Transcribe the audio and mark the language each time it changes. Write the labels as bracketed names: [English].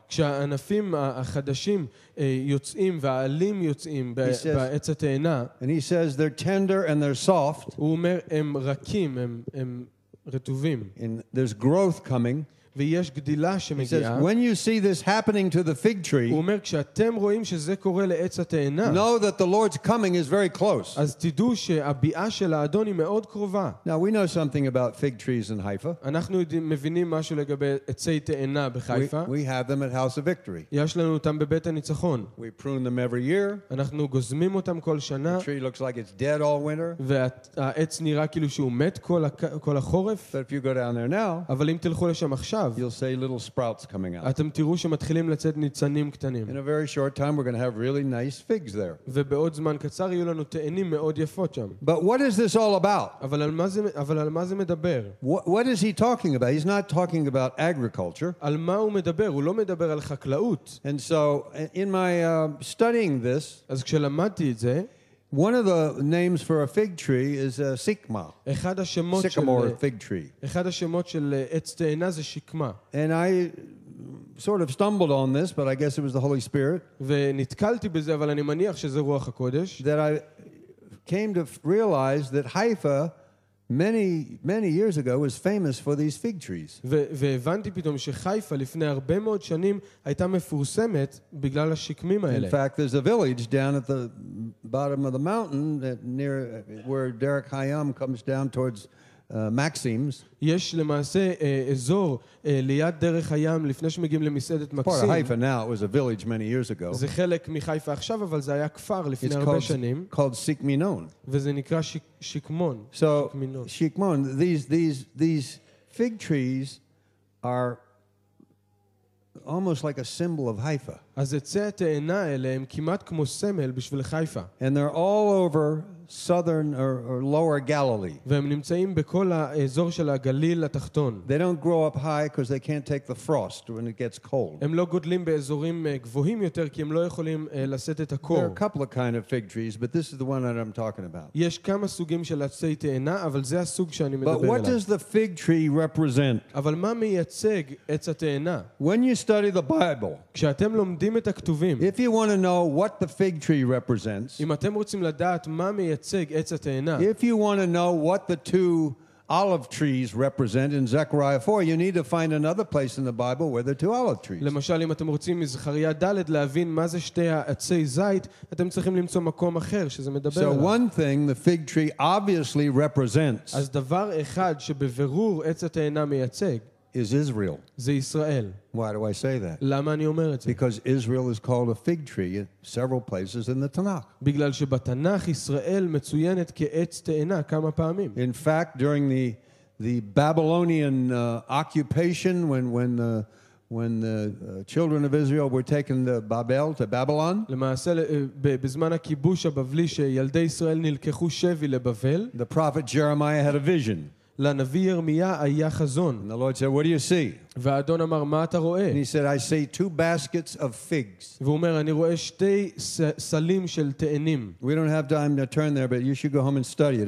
[Hebrew] כשהענפים החדשים יוצאים והעלים יוצאים בעץ התאנה, [English] and he says they're tender and they're soft, [Hebrew] הוא אומר הם רכים, הם רטובים, [English] and there's growth coming. [Hebrew] ויש גדילה שמגיעה. [English] He says, when you see this happening to the fig tree, [Hebrew] הוא אומר, כשאתם רואים שזה קורה לעץ התאנה, [English] know that the Lord's coming is very close. [Hebrew] אז תדעו שהביאה של האדון היא מאוד קרובה. [English] Now we know something about fig trees in Haifa. [Hebrew] אנחנו מבינים משהו לגבי עצי תאנה בחיפה. [English] We have them at House of Victory. [Hebrew] יש לנו אותם בבית הניצחון. [English] We prune them every year. [Hebrew] אנחנו גוזמים אותם כל שנה. [English] The tree looks like it's dead all winter. [Hebrew] והעץ נראה כאילו שהוא מת כל החורף. [English] But if you go down there now, [Hebrew] אבל אם תלכו לשם עכשיו, [English] you'll see little sprouts coming out. [Hebrew] אתם תראו שמתחילים לצאת ניצנים קטנים. [English] In a very short time we're going to have really nice figs there. [Hebrew] ובעוד זמן קצר יהיו לנו תאנים מאוד יפות שם. [English] But what is this all about? [Hebrew] אבל על מה זה מדבר? [English] What is he talking about? He's not talking about agriculture. [Hebrew] על מה הוא מדבר? הוא לא מדבר על חקלאות. [English] And so in my studying this, [Hebrew] אז כשלמדתי את זה, [English] one of the names for a fig tree is a sycamore. [Hebrew] אחד השמות [English] sycamore fig tree. [Hebrew] אחד השמות של עץ תאנה זה שקמה. [English] And I sort of stumbled on this, but I guess it was the Holy Spirit. [Hebrew] ונתקלתי בזה, אבל אני מניח שזה רוח הקודש. [English] That I came to realize that Haifa many years ago was famous for these fig trees. [Hebrew] והבנתי פתאום שחיפה לפני הרבה מאוד שנים הייתה מפורסמת בגלל השקמים האלה. [English] In fact, there's a village down at the bottom of the mountain that near where Derek Hayam comes down towards Maxim's. [Hebrew] יש למעשה אזור ליד דרך הים לפני שמגיעים למסעדת מקסים. [English] Part of Haifa now, it was a village many years ago. [Hebrew] זה חלק מחיפה עכשיו, אבל זה היה כפר לפני הרבה שנים. [English] It's called Sikminon. [Hebrew] וזה נקרא שקמון. [English] So, Sikminon, these fig trees are almost like a symbol of Haifa. [Hebrew] אז עצי התאנה האלה הם כמעט כמו סמל בשביל חיפה. [English] And they're all over southern or lower Galilee. [Hebrew] והם נמצאים בכל האזור של הגליל התחתון. [English] They don't grow up high because they can't take the frost when it gets cold. [Hebrew] הם לא גודלים באזורים גבוהים יותר כי הם לא יכולים לשאת את הקור. [English] There are a couple of kind of fig trees, but this is the one that I'm talking about. [Hebrew] יש כמה סוגים של עצי תאנה, אבל זה הסוג שאני מדבר עליו. [English] But what does the fig tree represent? [Hebrew] אבל מה מייצג עץ התאנה? [English] When you study the Bible, [Hebrew] כשאתם לומדים את הכתובים, [English] if you want to know what the fig tree represents, [Hebrew] אם אתם רוצים לדעת מה מייצג עץ התאנה, [English] if you want to know what the two olive trees represent in Zechariah 4, you need to find another place in the Bible where the two olive trees. [Hebrew] למשל, אם אתם רוצים מזכריה ד' להבין מה זה שתי עצי זית, אתם צריכים למצוא מקום אחר שזה מדבר. [English] So one thing the fig tree obviously represents, [Hebrew] אז דבר אחד שבבירור עץ התאנה מייצג, [English] is Israel. [Hebrew] זה ישראל. [English] Why do I say that? [Hebrew] למה אני אומר את זה? [English] Because Israel is called a fig tree in several places in the Tanakh. [Hebrew] בגלל שבתנך ישראל מצוינת כעץ תאנה כמה פעמים. [English] In fact, during the Babylonian occupation, when the children of Israel were taken to Babel, to Babylon, [Hebrew] בזמן הכיבוש הבבלי שילדי ישראל נלקחו שבי לבבל, [English] the prophet Jeremiah had a vision. [Hebrew] לנביא ירמיה היה חזון. [English] And the Lord said, "What do you see?" [Hebrew] והאדון אמר, "מה אתה רואה?" [English] And he said, "I see two baskets of figs." [Hebrew] והוא אומר, "אני רואה שתי סלים של תאנים." [English] We don't have time to turn there, but you should go home and study it.